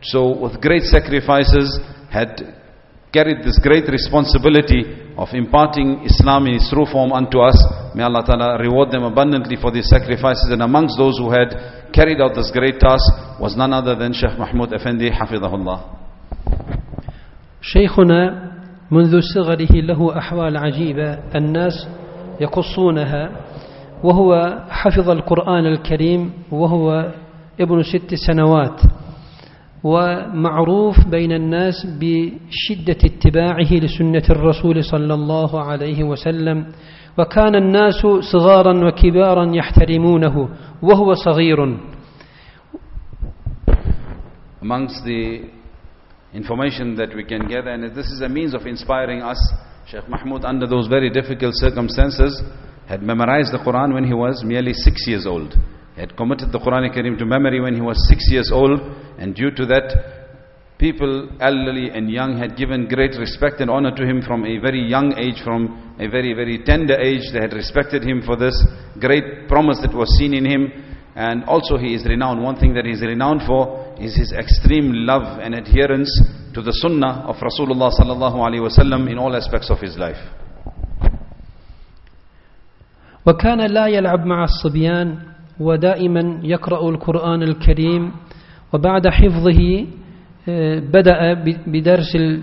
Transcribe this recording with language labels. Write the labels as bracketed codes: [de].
[en] So with great sacrifices had carried this great responsibility of imparting Islam in its true form unto us. May Allah Ta'ala reward them abundantly for these sacrifices. And amongst those who had carried out this great task was none other than Sheikh Mahmud Effendi, Hafidhahullah. [ar] شيخنا منذ صغره له أحوال عجيبة الناس يقصونها، وهو حفظ القرآن الكريم وهو ابن 6 سنوات، ومعروف بين الناس بشدة اتباعه لسنة الرسول صلى الله عليه وسلم، وكان الناس صغارا وكبارا يحترمونه وهو صغير. [en] Amongst the information that we can gather, and this is a means of inspiring us, Sheikh Mahmud, under those very difficult circumstances, had memorized the Quran when he was merely 6 years old. He had committed the Quran Karim to memory when he was 6 years old, and due to that, people, elderly and young, had given great respect and honor to him from a very young age, from a very, very tender age. They had respected him for this great promise that was seen in him. And also he is renowned. One thing that he is renowned for is his extreme love and adherence to the sunnah of Rasulullah sallallahu alaihi wasallam in all aspects of his life. [ar] وكان لا يلعب مع الصبيان ودائما يقرأ القرآن الكريم، وبعد حفظه بدأ بدرس